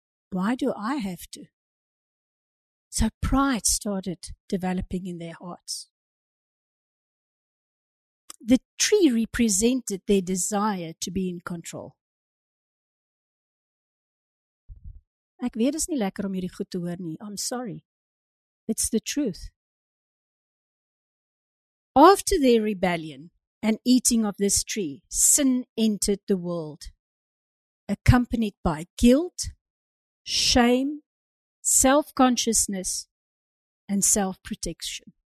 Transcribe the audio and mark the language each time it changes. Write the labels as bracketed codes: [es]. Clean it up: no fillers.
[en] Why do I have to? So pride started developing in their hearts. The tree represented their desire to be in control. [af] Ek weet dis nie lekker om hierdie goed te hoor nie. [en] I'm sorry. It's the truth. After their rebellion and eating of this tree, sin entered the world, accompanied by guilt, shame, self-consciousness, and self-protection.